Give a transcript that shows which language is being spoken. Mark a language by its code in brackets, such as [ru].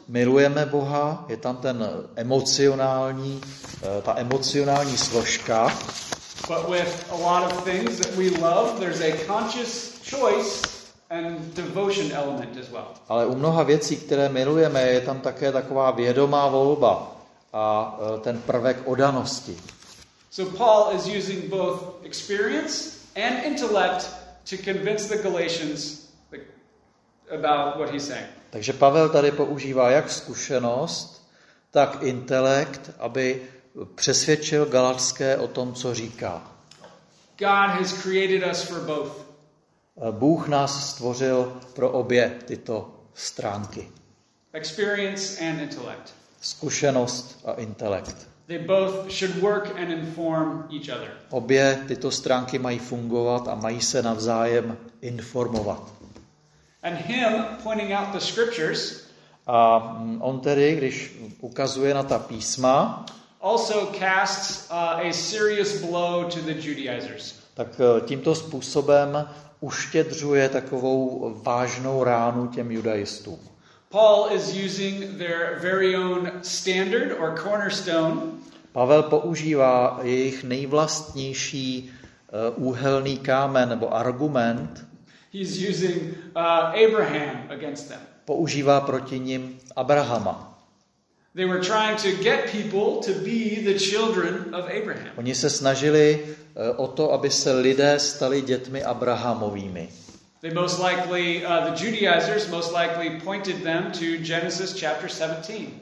[cs] Milujeme Boha, je tam ten emocionální, ta emocionální složka. [en] But with a lot of things that we love, there's a conscious choice and devotion element as well. [cs] Ale u mnoha věcí, které milujeme, je tam také taková vědomá volba a ten prvek oddanosti. [en] So Paul is using both experience and intellect to convince the Galatians about what he's saying. [cs] Takže Pavel tady používá jak zkušenost, tak intelekt, aby přesvědčil Galatské o tom, co říká. [en] God has created us for both. [cs] Bůh nás stvořil pro obě tyto stránky. [en] Experience and intellect. [cs] Zkušenost a intelekt. [en] They both should work and inform each other. [cs] Obě tyto stránky mají fungovat a mají se navzájem informovat. [en] And him pointing out the scriptures. [cs] A on tedy, když ukazuje na ta písma, [en] also casts a serious blow to the Judaizers. [cs] Tak tímto způsobem uštědřuje takovou vážnou ránu těm judaistům. [en] Paul is using their very own standard or cornerstone. [cs] Pavel používá jejich nejvlastnější úhelný kámen nebo argument. [en] He's using Abraham against them. [cs] Používá proti nim Abrahama. [en] They were trying to get people to be the children of Abraham. [cs] Oni se snažili o to, aby se lidé stali dětmi Abrahamovými. [en] They most likely the Judaizers most likely pointed them to Genesis chapter 17.